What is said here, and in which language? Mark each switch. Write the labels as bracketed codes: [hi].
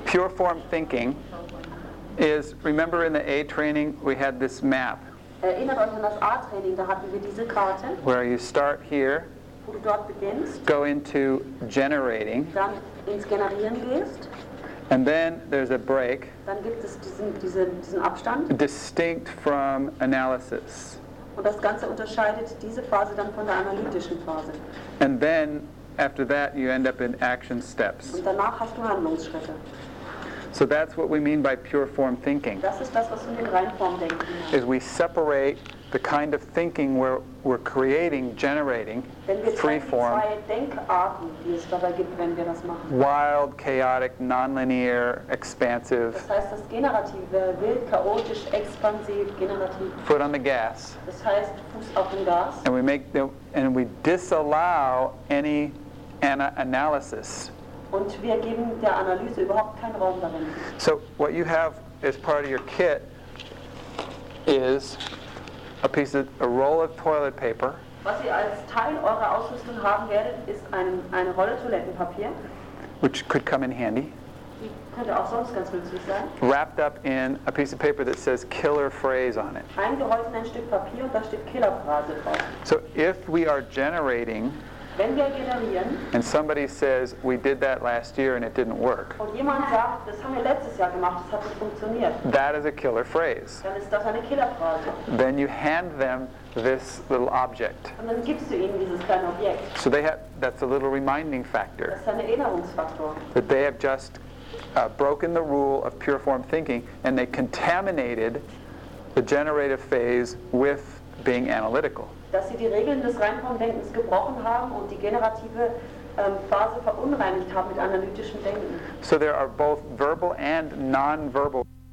[en] Pure form thinking is, remember in the A training, we had this map. [de] Erinnert euch an das A-Training, da hatten wir diese Karte. [en] Where you start here. [de] Wo du dort beginnst. [en] Go into generating. [de] Dann ins Generieren gehst. [en] And then there's a break. [de] Dann gibt es diesen Abstand. [en] Distinct from analysis. [de] Und das Ganze unterscheidet diese Phase dann von der analytischen Phase. [en] And then after that, you end up in action steps. [de] Und danach hast du Handlungsschritte. [en] So that's what we mean by pure form thinking. [de] Das ist das, was wir mit Reinformdenken meinen. [en] Is we separate the kind of thinking where we're creating, generating free form. [de] Wenn wir zwei Denkarten, die es dabei gibt, wenn wir das machen. [en] Wild, chaotic, nonlinear, expansive. [de] Das heißt, das Generative, wild, chaotisch, expansiv, generativ. [en] Foot on the gas. [de] Das heißt, Fuß auf dem Gas. [en] And we make the, and we disallow any analysis. [de] Und wir geben der Analyse überhaupt keinen Raum darin. [en] So what you have as part of your kit is a roll of toilet paper. [de] Was ihr als Teil eurer Ausrüstung haben werdet, ist eine Rolle Toilettenpapier. [en] Which could come in handy. [de] Die könnte auch sonst ganz nützlich sein. [en] Wrapped up in a piece of paper that says killer phrase on it. [de] Eingerollt in ein Stück Papier und da steht Killerphrase drauf. [en] So if we are generating, [de] wenn wir generieren, [en] and somebody says we did that last year and it didn't work, [de] und jemand sagt, das haben wir letztes Jahr gemacht, das hat nicht funktioniert, [en] that is a killer phrase. [de] Dann ist das eine Killerphrase. [en] Then you hand them this little object. [de] Und dann gibst du ihnen dieses kleine Objekt. [en] So they have, that's a little reminding factor. [de] Das ist ein Erinnerungsfaktor. [en] That they have just broken the rule of pure form thinking and they contaminated the generative phase with being analytical. [de] Dass sie die Regeln des Reinformdenkens gebrochen haben und die generative Phase verunreinigt haben mit analytischem Denken. [en] So there are both verbal and non-verbal.